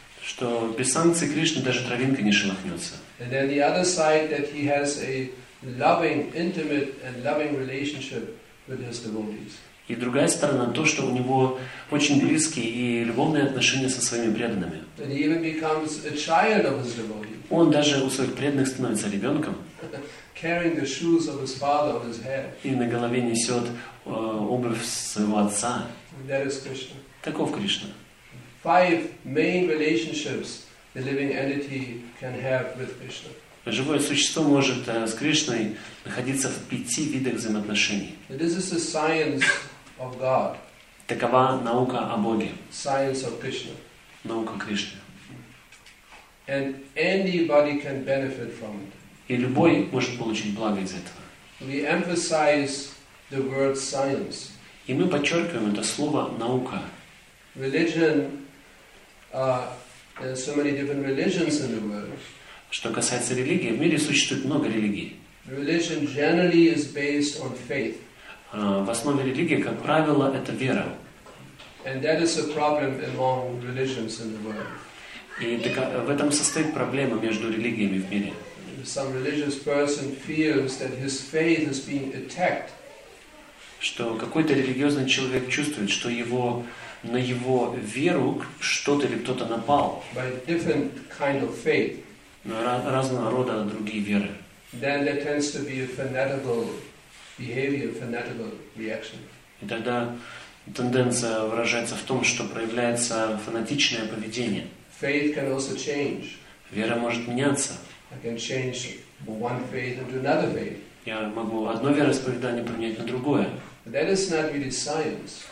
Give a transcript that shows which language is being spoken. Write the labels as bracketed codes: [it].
[ru] Что без санкции Кришны даже травинка не шелохнется. [en] And then the other side, that he has a loving, intimate and loving relationship with his devotees. [ru] И другая сторона, то, что у него очень близкие и любовные отношения со своими преданными. [en] And he even becomes a child of his devotees. [ru] Он даже у своих преданных становится ребенком. [en] Carrying the shoes of his father on his head. [ru] И на голове несет обувь своего отца. [en] And that is Krishna. [ru] Таков Кришна. [en] Five main relationships the living entity can have with Krishna. [ru] Живое существо может с Кришной находиться в пяти видах взаимоотношений. [en] This is the science of God. [ru] Такова наука о Боге. [en] Science of Krishna. [ru] Наука Кришны. [en] And anybody can benefit from it. [ru] И любой может получить благо из этого. [en] We emphasize the word science. [ru] И мы подчеркиваем это слово наука. [en] Religion, there are so many different religions in the world. [ru] Что касается религии, в мире существует много религий. [en] Religion generally is based on faith. [ru] В основе религии, как правило, это вера. [en] And that is a problem among religions in the world. [ru] И в этом состоит проблема между религиями в мире. [en] Some religious person feels that his faith is being attacked. [ru] Что какой-то религиозный человек чувствует, что его на его веру что-то или кто-то напал. [en] By different kind of faith. [ru] Разного рода другие веры. [en] Then there tends to be a fanatical behavior, fanatical reaction. [ru] И тогда тенденция выражается в том, что проявляется фанатичное поведение. [en] Faith can also change. [ru] Вера может меняться. [en] I can change one faith into another faith. [ru] Я могу одно вероисповедание поменять на другое. [en] That is not really science.